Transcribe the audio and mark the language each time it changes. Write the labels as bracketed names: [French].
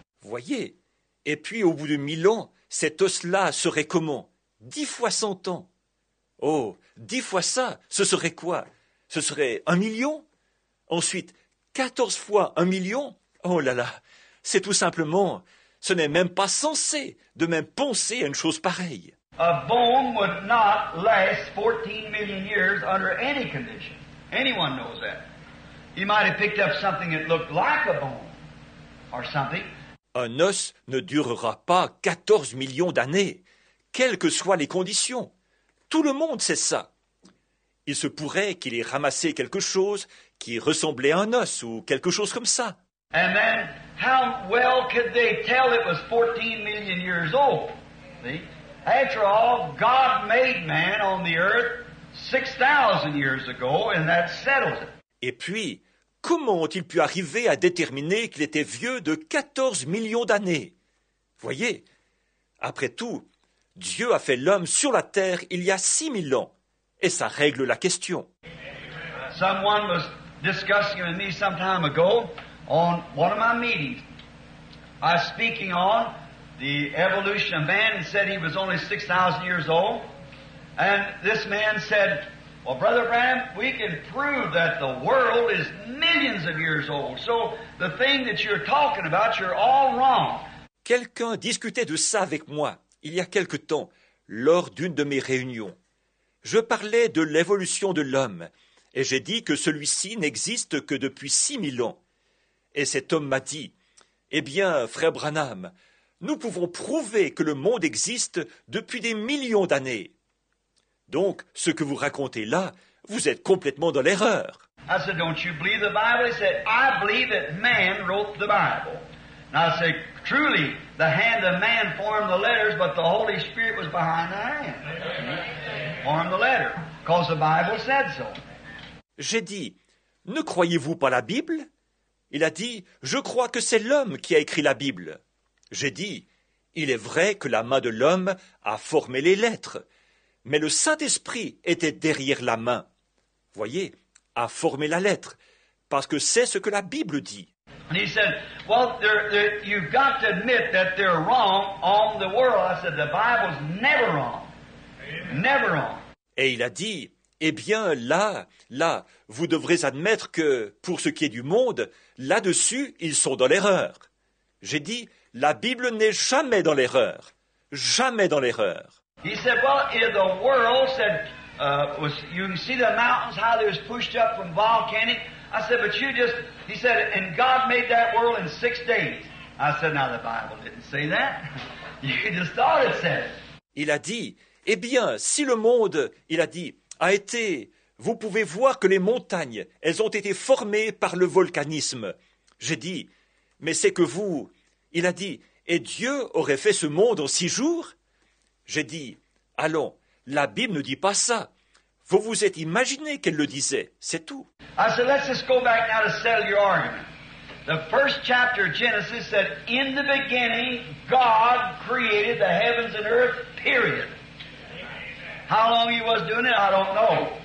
[French] Voyez, et puis au bout de 1,000 ans, cet os-là serait comment? 10 fois 100 ans. Oh, 10 fois ça, ce serait quoi? Ce serait 1 million? Ensuite, 14 fois 1 million? Oh là là, c'est tout simplement, ce n'est même pas censé de même penser à une chose pareille. [English] A bone would not last 14 million years under any condition. Anyone knows that. You might have picked up something that looked like a bone or something. [French] Un os ne durera pas 14 millions d'années, quelles que soient les conditions. Tout le monde sait ça. Il se pourrait qu'il ait ramassé quelque chose qui ressemblait à un os ou quelque chose comme ça. [English] And then, how well could they tell it was 14 million years old? See? After all, God made man on the earth 6,000 years ago, and that settles it. [French] Et puis, comment ont-ils pu arriver à déterminer qu'il était vieux de 14 millions d'années? Voyez, après tout, Dieu a fait l'homme sur la terre il y a 6000 ans, et ça règle la question. [English] Someone was discussing with me some time ago on one of my meetings. I was speaking on the evolution of man and said he was only 6,000 years old. And this man said, well, Brother Branham, we can prove that the world is millions of years old. So the thing that you're talking about, you're all wrong. [French] Quelqu'un discutait de ça avec moi il y a quelque temps, lors d'une de mes réunions. Je parlais de l'évolution de l'homme, et j'ai dit que celui-ci n'existe que depuis 6000 ans. Et cet homme m'a dit, « Eh bien, frère Branham, nous pouvons prouver que le monde existe depuis des millions d'années. » Donc, ce que vous racontez là, vous êtes complètement dans l'erreur. [English] I said, don't you believe the Bible? He said, I believe that man wrote the Bible. And I said, truly, the hand of man formed the letters, but the Holy Spirit was behind the hand. Formed the letter, because the Bible said so. [French] J'ai dit, ne croyez-vous pas la Bible? Il a dit, je crois que c'est l'homme qui a écrit la Bible. J'ai dit, il est vrai que la main de l'homme a formé les lettres. Mais le Saint-Esprit était derrière la main. Voyez, a formé la lettre, parce que c'est ce que la Bible dit. [English] And he said, well, you've got to admit that they're wrong on the world. I said, the Bible's never wrong. Never wrong. [French] Et il a dit, eh bien, là, vous devrez admettre que, pour ce qui est du monde, là-dessus, ils sont dans l'erreur. J'ai dit, la Bible n'est jamais dans l'erreur. Jamais dans l'erreur. [English] He said, well, if the world said, you can see the mountains, how they was pushed up from volcanic. I said, but you just, he said, and God made that world in 6 days. I said, now the Bible didn't say that. You just thought it said it. [French] Il a dit, eh bien, si le monde, il a dit, a été, vous pouvez voir que les montagnes, elles ont été formées par le volcanisme. J'ai dit, mais c'est que vous, il a dit, et Dieu aurait fait ce monde en 6 jours? J'ai dit, allons, la Bible ne dit pas ça. Vous vous êtes imaginé qu'elle le disait, c'est tout. [English] I said, let's just go back now to settle your argument. The first chapter of Genesis said, in the beginning, God created the heavens and earth, period. How long he was doing it, I don't know.